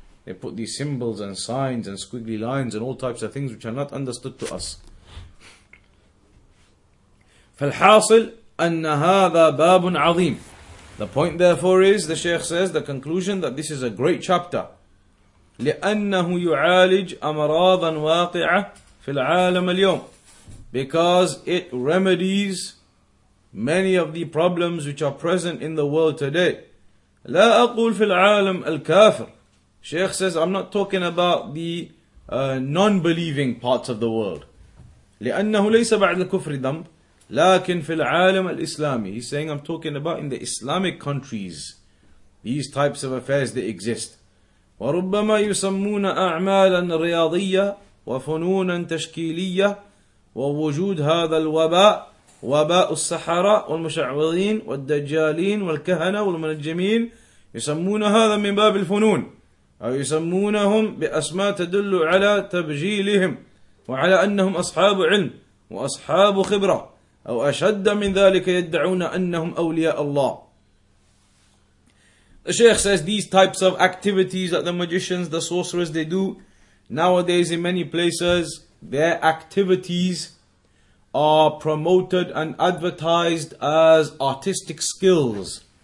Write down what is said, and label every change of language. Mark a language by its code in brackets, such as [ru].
[en] They put these symbols and signs and squiggly lines and all types of things which are not understood to us. [ar] فالحاصل أن هذا باب عظيم. [en] The point therefore is, the Shaykh says, the conclusion that this is a great chapter. [ar] لأنه يعالج أمراضا واقعة في العالم اليوم. [en] Because it remedies many of the problems which are present in the world today. [ar] لا أقول في العالم الكافر. [en] Shaykh says, I'm not talking about the non-believing parts of the world. [ar] لأنه ليس بعد الكفر ذنب. لكن في العالم الإسلامي. [en] He's saying, I'm talking about in the Islamic countries. These types of affairs, they exist. [ar] وربما يسمون أعمالا رياضية وفنونا تشكيلية ووجود هذا الوباء وَبَاءُ السَّحَرَةِ وَالْمُشَعْوَذِينَ وَالْدَّجَّالِينَ وَالْكَهَنَةِ وَالْمُنَجِّمِينَ يسمون هذا من باب الفنون أو يسمونهم بأسماء تدل على تبجيلهم وعلى أنهم أصحاب علم وأصحاب خبرة أو أشد من ذلك يدعون أنهم أولياء الله. [en] The Shaykh says these types of activities that the magicians, the sorcerers, they do nowadays in many places, their activities are promoted and advertised as artistic skills.